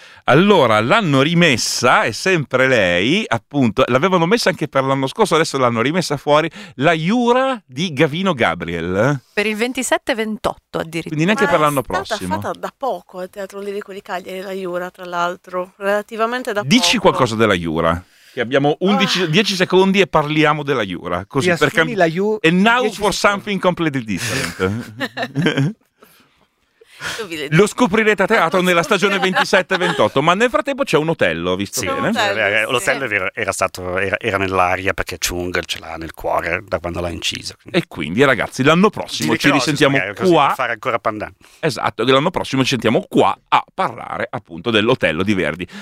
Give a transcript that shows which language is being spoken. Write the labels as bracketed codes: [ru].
[it] Allora, l'hanno rimessa, è sempre lei, appunto, l'avevano messa anche per l'anno scorso, adesso l'hanno rimessa fuori, la Jura di Gavino Gabriel. Per il 27-28 addirittura. Quindi neanche ma per l'anno prossimo. È stata fatta da poco al Teatro Lirico di Cagliari, la Jura, tra l'altro, relativamente da poco. Dici qualcosa della Jura, che abbiamo 10 secondi e parliamo della Jura. Così per la Jura. [en] And now for something completely different. [it] Lo scoprirete a teatro nella stagione 27-28, ma nel frattempo c'è un Otello, visto sì, bene? L'Otello era nell'aria, perché Chung ce l'ha nel cuore da quando l'ha inciso. Quindi. E quindi, ragazzi, l'anno prossimo ci risentiamo qua. Per fare ancora Pandan. Esatto, l'anno prossimo ci sentiamo qua a parlare appunto dell'Otello di Verdi.